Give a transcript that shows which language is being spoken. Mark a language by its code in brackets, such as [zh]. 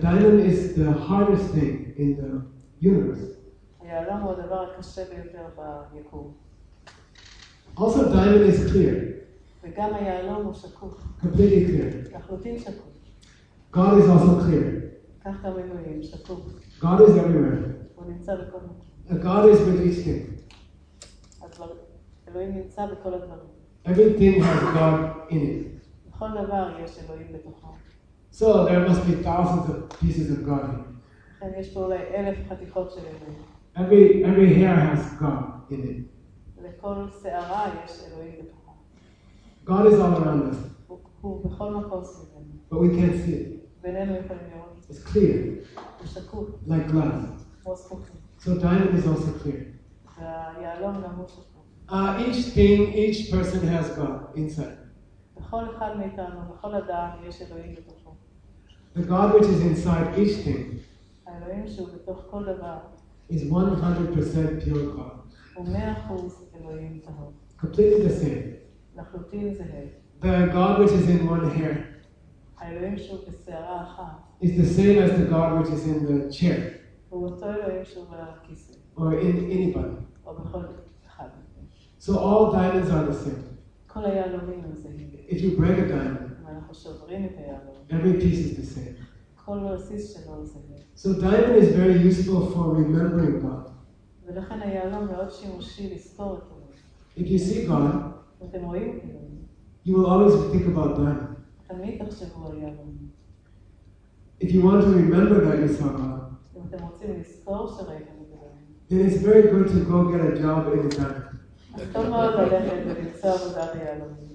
[en] Diamond is the hardest thing in the universe. [he] היהלום הוא הדבר הקשה ביותר ביקום. [en] Also, diamond is clear. [he] וגם היהלום הוא שקוף. [en] Completely clear. [he] לחלוטין שקוף. [en] God is also clear. [he] כך גם אלוהים, שקוף. [en] God is everywhere. [he] הוא נמצא בכל מקום. [en] God is with each thing. [he] אז אלוהים נמצא בכל הדברים. [en] Everything has God in it. [he] בכל דבר יש אלוהים בתוכו. [en] So there must be thousands of pieces of God in it. [he] כן, יש פה אולי אלף חתיכות של אלוהים. [en] Every hair has God in it. [he] לכל שערה יש אלוהים בתוכו. [en] God is all around us. [he] הוא בכל מקום סביבנו. [en] But we can't see it. [he] בינינו יכולים לראות. [en] It's clear. [he] הוא שקוף. [en] Like glass. [he] כמו זכוכים. [en] So diamond is also clear. [he] והיהלום גם הוא שקוף. [en] Each thing, each person has God inside. [he] בכל אחד מאיתנו, בכל אדם יש אלוהים בתוכו. [en] The God which is inside each thing [he] האלוהים שהוא בתוך כל דבר [en] is 100% pure God. [he] הוא 100% אלוהים טהור. [en] Completely the same. [he] לחלוטין זהה. [en] The God which is in one hair [he] האלוהים שהוא בשערה אחת [en] is the same as the God which is in the chair. [he] הוא אותו אלוהים שהוא בכיסא. [en] Or in anybody. [he] או בכל אחד. [en] So all diamonds are the same. [he] כל היהלומים הם זהים. [en] If you break a diamond [he] אנחנו שוברים את היהלום. [en] Every piece is the same. [he] כל רסיס שלו זה. [en] So diamond is very useful for remembering God. [he] ולכן היהלום מאוד שימושי לזכור אותו. [en] If you see God, [he] אתם רואים? [en] You will always think about diamond. [he] תמיד תחשבו על יהלום. [en] If you want to remember that you saw God, [he] אם אתם רוצים לזכור שראיתם את זה, [en] then it's very good to go get a job in diamond. [he] אז טוב מאוד ללכת ולמצוא עבודה ביהלום.